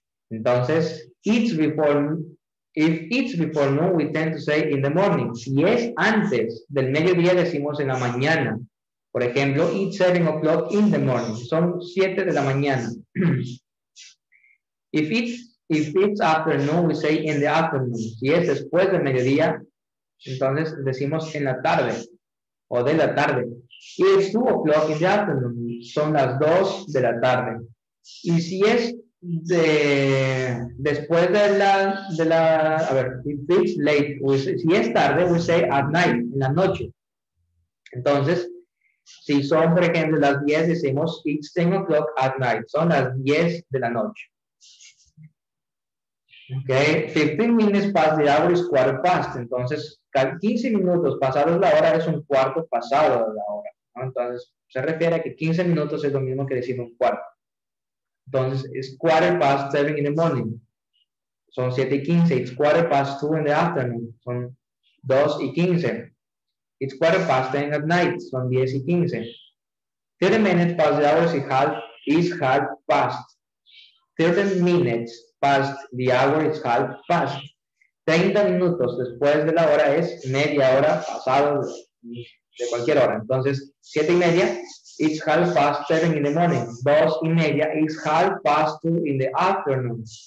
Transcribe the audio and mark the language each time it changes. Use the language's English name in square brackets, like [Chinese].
[English] Entonces, if it's before noon, we tend to say in the morning. [Spanish] Si es antes del mediodía, decimos en la mañana. Por ejemplo, [English] it's 7 o'clock in the morning. [Spanish] Son 7 de la mañana. [English] If it's If it's afternoon, we say in the afternoon. [Spanish] Si es después de mediodía, entonces decimos en la tarde o de la tarde. [English] If it's 2 o'clock in the afternoon, [Spanish] son las 2 de la tarde. Y si es de después de la a ver, [English] if it's late, we say, [Spanish] si es tarde, [English] we say at night, [Spanish] en la noche. Entonces, si son, por ejemplo, las 10, decimos [English] it's 10 o'clock at night. [Spanish] Son las 10 de la noche. [English] Ok, 15 minutes past the hour is quarter past. [Spanish] Entonces, 15 minutos pasados la hora es un cuarto pasado de la hora, ¿no? Entonces, se refiere a que 15 minutos es lo mismo que decir un cuarto. [English] Entonces, it's quarter past 7 in the morning. [Spanish] Son 7 y 15. [English] It's quarter past 2 in the afternoon. [Spanish] Son 2 y 15. [English] It's quarter past 10 at night. [Spanish] Son 10 y 15. [English] 30 minutes past the hour is half past. 30 minutes past the hour is half past. [Spanish] 30 minutos después de la hora es media hora pasado de cualquier hora. Entonces, 7 y media, [English] it's half past 7 in the morning. [Spanish] 2 y media, [English] it's half past 2 in the afternoon.